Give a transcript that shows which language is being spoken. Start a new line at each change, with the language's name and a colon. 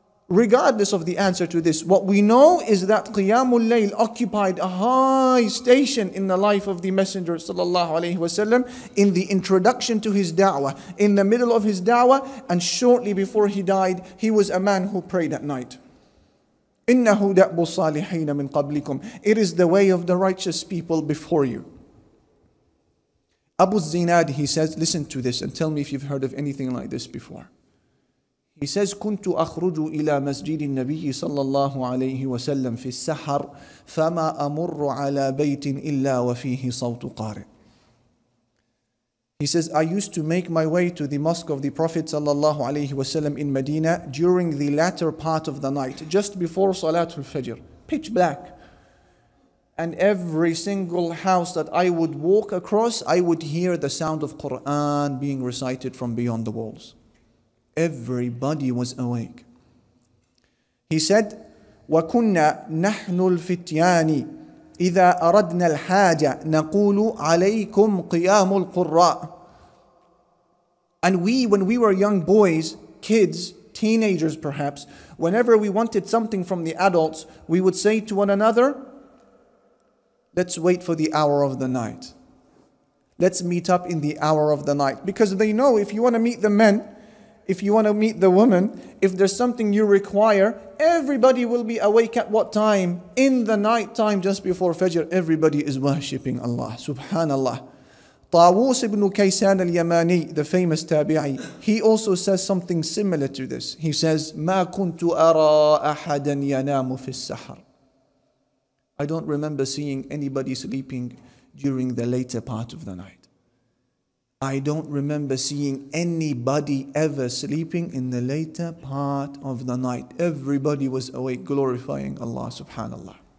English: Regardless of the answer to this, what we know is that Qiyamul Layl occupied a high station in the life of the Messenger sallallahu alayhi wasallam, in the introduction to his da'wah, in the middle of his da'wah, and shortly before he died, he was a man who prayed at night.
Arabic: إِنَّهُ دَأْبُ الصَّالِحِينَ مِنْ قَبْلِكُمْ.
English: It is the way of the righteous people before you. Abu Zinad, he says, listen to this and tell me if you've heard of anything like this before. He says,
Arabic: كنت أخرج إلى مسجد النبي صلى الله عليه وسلم في السحر فما أمر على بيت إلا وفيه صوت قارئ.
English: He says, I used to make my way to the mosque of the Prophet صلى الله عليه وسلم in Medina during the latter part of the night, just before Salatul Fajr, pitch black. And every single house that I would walk across, I would hear the sound of Quran being recited from beyond the walls. Everybody was awake. He said,
Arabic: وَكُنَّا نَحْنُ الْفِتْيَانِ إِذَا أَرَدْنَا الْحَاجَ نَقُولُ عَلَيْكُمْ قِيَامُ الْقُرَّاءِ.
English: And we, when we were young boys, kids, teenagers perhaps, whenever we wanted something from the adults, we would say to one another, let's wait for the hour of the night. Let's meet up in the hour of the night. Because they know if you want to meet the men, if you want to meet the woman, if there's something you require, everybody will be awake at what time? In the night time just before Fajr, everybody is worshipping Allah. Subhanallah. Tawus ibn Kaysan al-Yamani, the famous tabi'i, he also says something similar to this. He says,
Arabic: مَا كُنْتُ أَرَىٰ أَحَدًا يَنَامُ فِي السَّحَرِ.
English: I don't remember seeing anybody sleeping during the later part of the night. I don't remember seeing anybody ever sleeping in the later part of the night. Everybody was awake, glorifying Allah subhanallah.